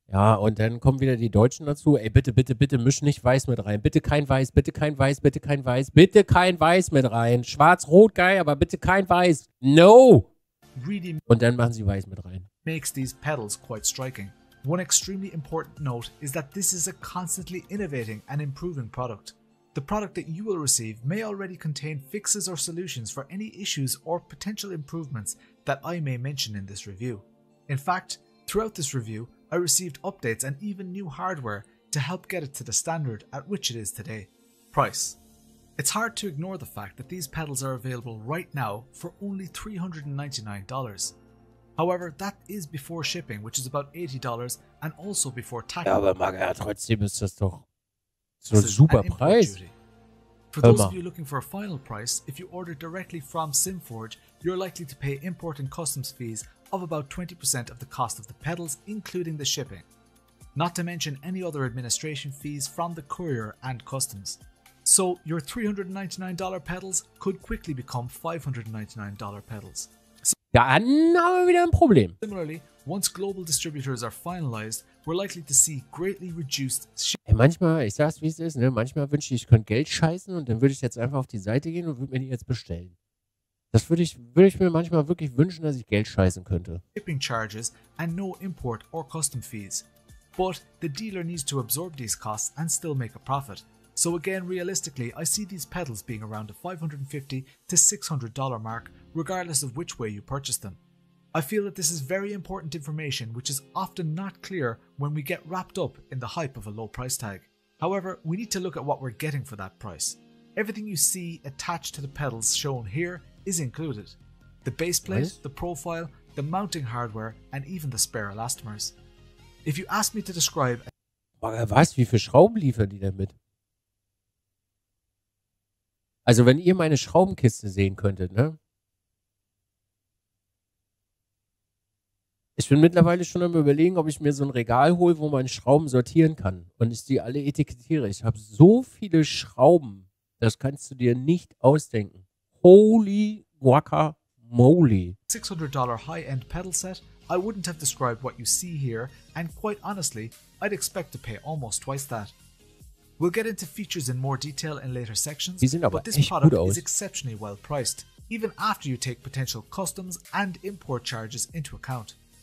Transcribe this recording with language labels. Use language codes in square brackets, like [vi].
[de] Ja, und dann kommen wieder die Deutschen dazu. Ey, bitte, bitte, bitte, misch nicht weiß mit rein. Bitte kein weiß, bitte kein weiß, bitte kein weiß. Bitte kein weiß mit rein. Schwarz-rot, geil, aber bitte kein weiß. No! [en] Really, [de] und dann machen sie weiß mit rein. [en] ...makes these pedals quite striking. One extremely important note is that this is a constantly innovating and improving product. The product that you will receive may already contain fixes or solutions for any issues or potential improvements that I may mention in this review. In fact, throughout this review, I received updates and even new hardware to help get it to the standard at which it is today. Price. It's hard to ignore the fact that these pedals are available right now for only $399. However, that is before shipping, which is about $80, and also before tax. [de] Ja, aber Marc, ja, trotzdem ist das doch... So ein super Preis. [en] For those of you looking for a final price, if you order directly from SimForge, you're likely to pay import and customs fees of about 20% of the cost of the pedals, including the shipping. Not to mention any other administration fees from the courier and customs. So your $399 pedals could quickly become $599 pedals. [de] Dann haben wir wieder ein Problem. [en] Similarly, once global distributors are finalized, we're likely to see greatly reduced shipping. [de] Ey, manchmal, ich sag's wie es ist, ne? Manchmal wünsche ich, ich könnte Geld scheißen und dann würde ich jetzt einfach auf die Seite gehen und würde mir die jetzt bestellen. Das würde ich mir manchmal wirklich wünschen, dass ich Geld scheißen könnte. [en] Shipping charges and no import or custom fees. But the dealer needs to absorb these costs and still make a profit. So again, realistically, I see these pedals being around the $550 to $600 mark, regardless of which way you purchase them. I feel that this is very important information, which is often not clear when we get wrapped up in the hype of a low price tag. However, we need to look at what we're getting for that price. Everything you see attached to the pedals shown here is included. The base plate, the profile, the mounting hardware, and even the spare elastomers. If you ask me to describe... [de] Was? Wie viele Schrauben liefern die denn mit? Also, wenn ihr meine Schraubenkiste sehen könntet, ne? Ich bin mittlerweile schon am Überlegen, ob ich mir so ein Regal hole, wo man Schrauben sortieren kann und ich die alle etikettiere. Ich habe so viele Schrauben, das kannst du dir nicht ausdenken. [en] Holy guacamole. $600 high-end pedal set, I wouldn't have described what you see here, and quite honestly, I'd expect to pay almost twice that. We'll get into features in more detail in later sections, but this product is exceptionally well priced, even after you take potential customs and import charges into account.